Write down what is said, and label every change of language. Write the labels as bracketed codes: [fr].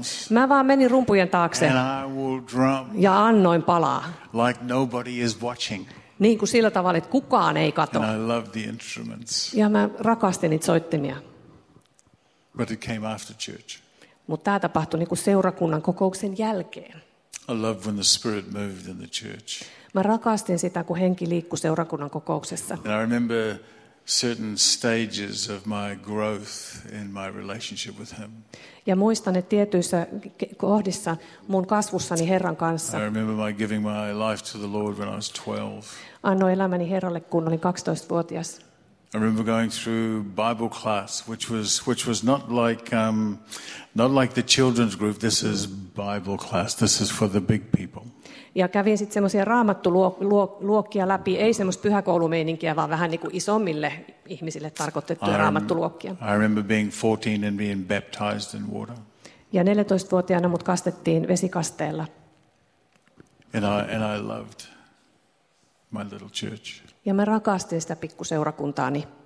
[fi] Mä vaan menin rumpujen taakse. Ja annoin palaa. [en] Like nobody is watching. [fi] Niin kuin sillä tavalla, että kukaan ei katso. [en] And I love the instruments. [fi] Ja mä rakastin niitä soittimia. [en] But it came after church. [fi] Mutta tämä tapahtui niin kuin seurakunnan kokouksen jälkeen. [en] I love when the Spirit moved in the church. [fi] Mä rakastin sitä, kun henki liikkui seurakunnan kokouksessa. [en] And I remember certain stages of my growth in my relationship with him. [fi] Ja muistan, että tietyissä kohdissa mun kasvussani Herran kanssa. [en] I remember my giving my life to the Lord when I was 12. [fi] Annoin elämäni Herralle, kun olin 12-vuotias. [en] I remember going through Bible class, which was not like the children's group. This is Bible class. This is for the big people. [fi] Ja kävin sitten semmoisia raamattuluokkia läpi, ei semmoista pyhäkoulumeininkiä, vaan vähän niin kuin isommille ihmisille tarkoitettuja raamattuluokkia. [en] I remember being 14 and being baptized in water. [fi] Ja 14-vuotiaana mut kastettiin vesikasteella. [en] And I loved my little church. [fi] Ja mä rakastin sitä pikkuseurakuntaani.